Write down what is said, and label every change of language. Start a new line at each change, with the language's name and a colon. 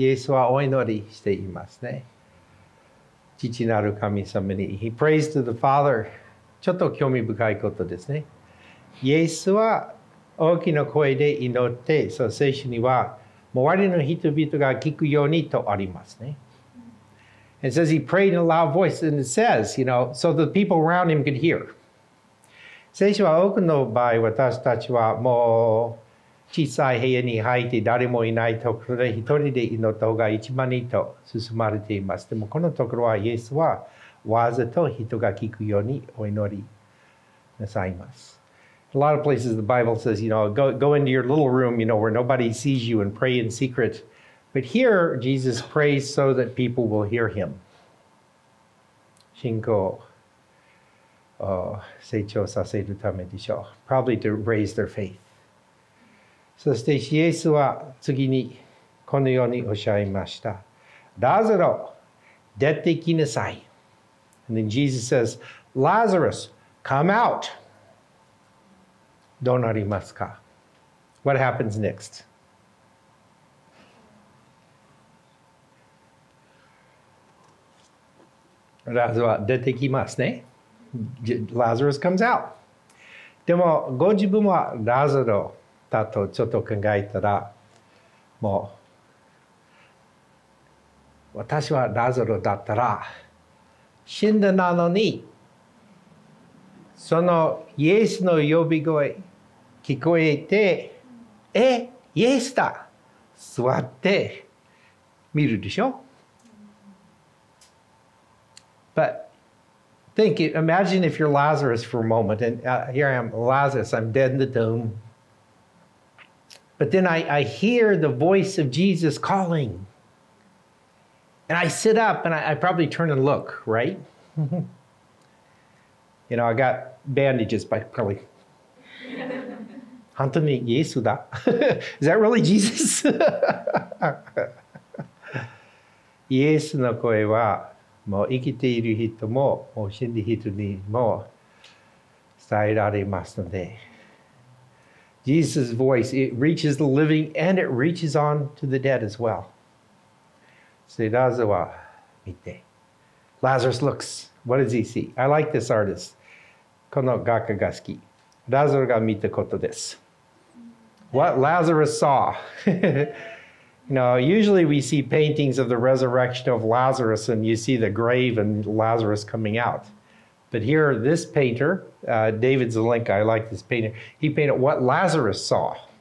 Japanese: イエスはお祈りしていますね。父なる神様に。
English: He prays to the Father.
Japanese: ちょっと興味深いことですね。イエスは大きな声で祈って、その聖書には、周りの人々が聞くようにとありますね。
English: It says he prayed in a loud voice, and it says, you know, so the people around him could hear.
Japanese: 聖書は多くの場合、私たちはもう、小さい部屋に入って誰もいないところで一人で祈った方が一番いいと進まれています。でもこのところはイエスはわざと人が聞くようにお祈りなさいます。
English: A lot of places the Bible says, you know, go into your little room, you know, where nobody sees you and pray in secret. But here, Jesus prays so that people will hear him.
Japanese: 信仰を成長させるためでしょう。
English: Probably to raise their faith.
Japanese: そしてイエスは次にこのようにおっしゃいました。ラザロ、出てきなさい。
English: And then Jesus says, Lazarus, come out.
Japanese: どうなりますか?
English: What happens next?
Japanese: ラザロは出てきますね。
English: Lazarus comes out.
Japanese: でもご自分はラザロ、だとちょっと考えたら、もう私はラザロだったら死んだなのに、そのイエスの呼び声聞こえて、え、イエスだ、座って見るでしょ。
English: But think, imagine if you're Lazarus for a moment, and here I am, Lazarus, I'm dead in the tomb. But then I hear the voice of Jesus calling. And I sit up and I probably turn and look, right? You know, I got bandages, but probably.
Japanese: 本当にイエスだ?
English: Is that really Jesus?
Japanese: イエスの声はもう生きている人も、もう死んでいる人にも伝えられますので。
English: Jesus' voice, it reaches the living and it reaches on to the dead as well. Say, Lazarus,
Japanese: 見て。
English: Lazarus looks. What does he see? I like this artist.
Japanese: この画家が好き。ラザロが見たことです。
English: What Lazarus saw. You know, usually we see paintings of the resurrection of Lazarus and you see the grave and Lazarus coming out. But here, this painter, David Zelenka, I like this painter, he painted what Lazarus saw.